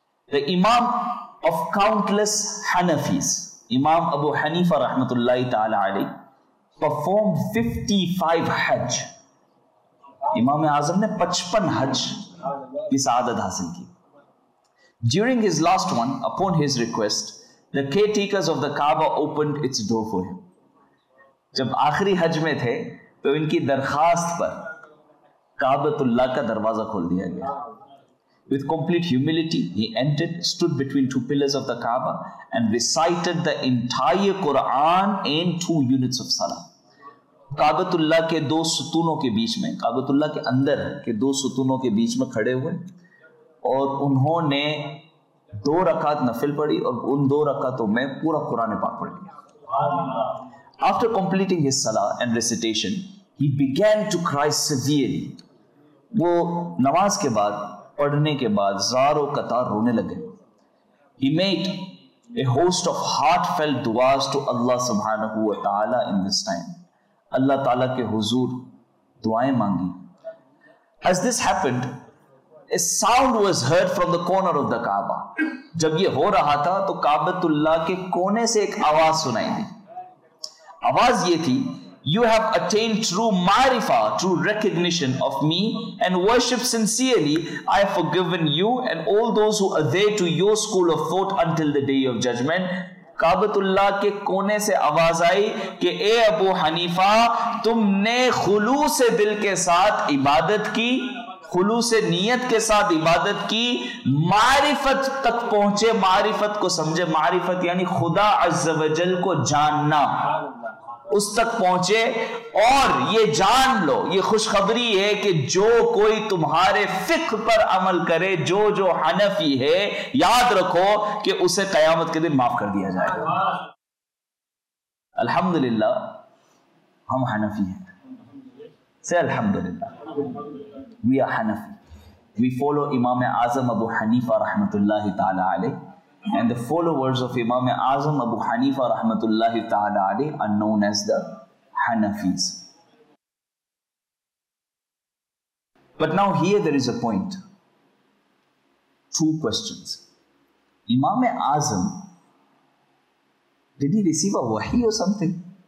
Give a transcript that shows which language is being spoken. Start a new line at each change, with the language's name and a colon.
English: The Imam of countless Hanafis, Imam Abu Hanifa rahmatullahi ta'ala alayhi, performed 55 hajj.
Urdu: Imam Azam ne 55 hajj ki saadat hasil ki.
English: During his last one, upon his request, the caretakers of the Kaaba opened its door for him.
Urdu: جب آخری حج میں تھے تو ان کی درخواست پر کعبۃ اللہ کا دروازہ کھول دیا گیا.
English: With complete humility he entered, stood between two pillars of the Kaaba and recited the entire Quran in two units of salah.
Urdu: کعبۃ اللہ کے دو ستونوں کے بیچ میں, کعبۃ اللہ کے اندر کے دو ستونوں کے بیچ میں کھڑے ہوئے اور انہوں نے دو رکعت نفل پڑھی اور ان دو رکعتوں میں پورا قرآن پاک پڑھ لیا.
English: After completing his salah and recitation, he began to cry severely.
Urdu: وہ نماز کے بعد پڑھنے کے بعد زار و قطار رونے لگے.
English: He made a host of heartfelt duas to Allah subhanahu wa ta'ala in this time.
Urdu: Allah ta'ala کے حضور دعائیں مانگی.
English: As this happened, a sound was heard from the corner of the Kaaba.
Urdu: جب یہ ہو رہا تھا تو کعبۃ اللہ کے کونے سے ایک آواز سنائی دی. آواز یہ تھی,
English: you have attained true marifa, true recognition of me and worship sincerely. I have forgiven you and all those who are there to your school of thought until the day of judgment.
Urdu: کعبۃ اللہ کے کونے سے آواز آئی کہ اے ابو حنیفہ, تم نے خلوص دل کے ساتھ عبادت کی, خلوص نیت کے ساتھ عبادت کی, معرفت تک پہنچے, معرفت کو سمجھے, معرفت یعنی خدا عز و جل کو جاننا, اس تک پہنچے اور یہ جان لو, یہ خوشخبری ہے کہ جو کوئی تمہارے فقہ پر عمل کرے, جو حنفی ہے, یاد رکھو کہ اسے قیامت کے دن معاف کر دیا جائے گا. الحمدللہ ہم حنفی ہیں,
English: سے الحمدللہ we are حنفی, وی فالو
Urdu: Imam Azam ابو حنیفہ رحمۃ اللہ تعالی علیہ.
English: And the followers of Imam Azam Abu Hanifa rahmatullahi ta'ala alayh are known as the Hanafis. But now here there is a point. two questions. Imam-e-Azam, did he receive a wahi or something?